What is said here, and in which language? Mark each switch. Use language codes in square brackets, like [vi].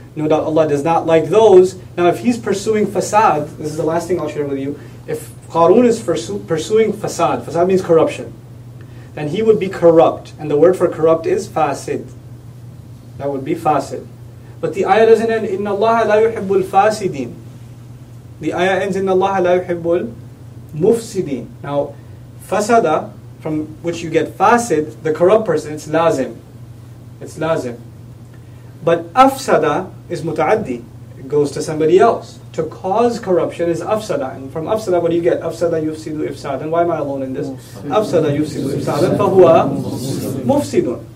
[en] No doubt Allah does not like those. Now if he's pursuing fasad, this is the last thing I'll share with you. If Qarun is pursuing fasad, fasad means corruption, then he would be corrupt. And the word for corrupt is fasid. That would be fasid. But the ayah doesn't end, [ar] إِنَّ اللَّهَ لَا يُحِبُّ الْفَاسِدِينَ. [en] The ayah ends, [ar] إِنَّ اللَّهَ لَا يُحِبُّ الْمُفْسِدِينَ. [en] Now, fasada, from which you get fasid, the corrupt person, it's lazim. It's lazim. But afsada is muta'addi. It goes to somebody else. To cause corruption is afsada. And from afsada, what do you get? [ar] Afsada yufsidu ifsad. [en] And why am I alone in this? Afsada yufsidu ifsad. [ar] Fahuwa mufsidun.